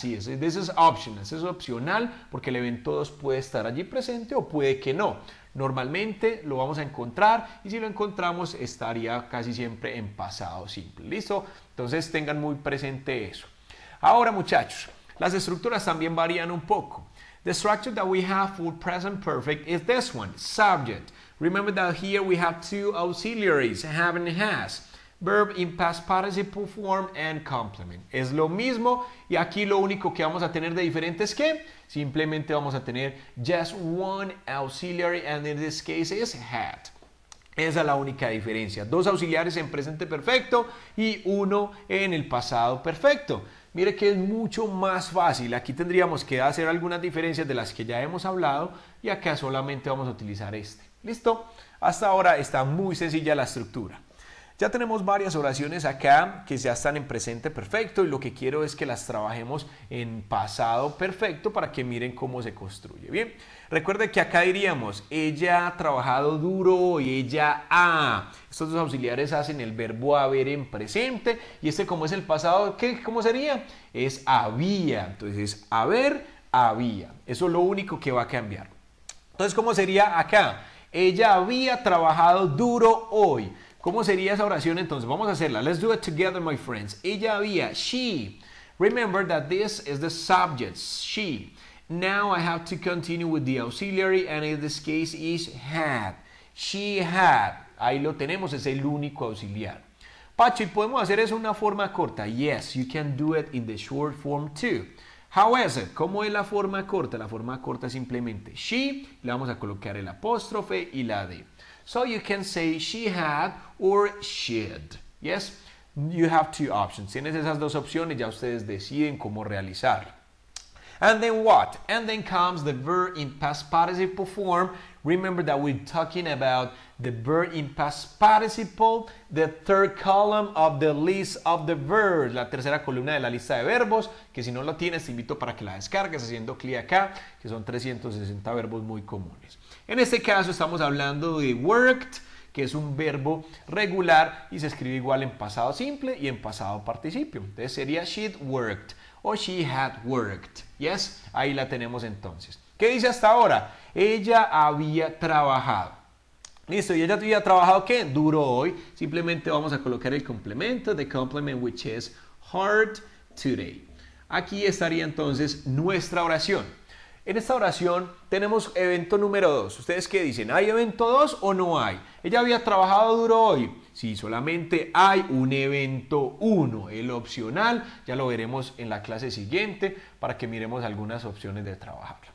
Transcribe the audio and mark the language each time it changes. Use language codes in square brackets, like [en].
[es] Sí, [en] this is optional. [es] Eso es opcional porque el evento 2 puede estar allí presente o puede que no. Normalmente lo vamos a encontrar y si lo encontramos estaría casi siempre en pasado simple. ¿Listo? Entonces tengan muy presente eso. Ahora, muchachos, las estructuras también varían un poco. [en] The structure that we have for present perfect is this one, subject. Remember that here we have two auxiliaries, have and has. Verb in past participle form and complement. [es] Es lo mismo y aquí lo único que vamos a tener de diferente es que simplemente vamos a tener [en] just one auxiliary and in this case is had. [es] Esa es la única diferencia. Dos auxiliares en presente perfecto y uno en el pasado perfecto. Mire que es mucho más fácil. Aquí tendríamos que hacer algunas diferencias de las que ya hemos hablado y acá solamente vamos a utilizar este. ¿Listo? Hasta ahora está muy sencilla la estructura. Ya tenemos varias oraciones acá que ya están en presente perfecto y lo que quiero es que las trabajemos en pasado perfecto para que miren cómo se construye. Bien, recuerde que acá diríamos, ella ha trabajado duro y ella ha. Estos dos auxiliares hacen el verbo haber en presente y este como es el pasado, ¿qué? ¿Cómo sería? Es había, entonces haber, había. Eso es lo único que va a cambiar. Entonces, ¿cómo sería acá? Ella había trabajado duro hoy. ¿Cómo sería esa oración entonces? Vamos a hacerla. [en] Let's do it together, my friends. [es] Ella había, [en] she. Remember that this is the subject, she. Now I have to continue with the auxiliary and in this case is had. She had. [es] Ahí lo tenemos, es el único auxiliar. Pacho, ¿y podemos hacer eso en una forma corta? [en] Yes, you can do it in the short form too. How is it? [es] ¿Cómo es la forma corta? La forma corta es simplemente she. Le vamos a colocar el apóstrofe y la de. [en] So you can say she had or should. Yes, you have two options. [es] Tienes esas dos opciones, ya ustedes deciden cómo realizar. [en] And then what? And then comes the verb in past participle form. Remember that we're talking about The verb in past participle, the third column of the list of the verbs, [es] la tercera columna de la lista de verbos, que si no la tienes, te invito para que la descargues haciendo clic acá, que son 360 verbos muy comunes. En este caso estamos hablando de worked, que es un verbo regular y se escribe igual en pasado simple y en pasado participio. Entonces sería [en] she'd worked o she had worked. [es] Yes, ahí la tenemos entonces. ¿Qué dice hasta ahora? Ella había trabajado. Listo, ¿y ella había trabajado qué? Duro hoy. Simplemente vamos a colocar el complemento, [en] the complement which is hard today. [es] Aquí estaría entonces nuestra oración. En esta oración tenemos evento número 2. ¿Ustedes qué dicen? ¿Hay evento 2 o no hay? Ella había trabajado duro hoy. Sí, solamente hay un evento 1. El opcional ya lo veremos en la clase siguiente para que miremos algunas opciones de trabajarlo.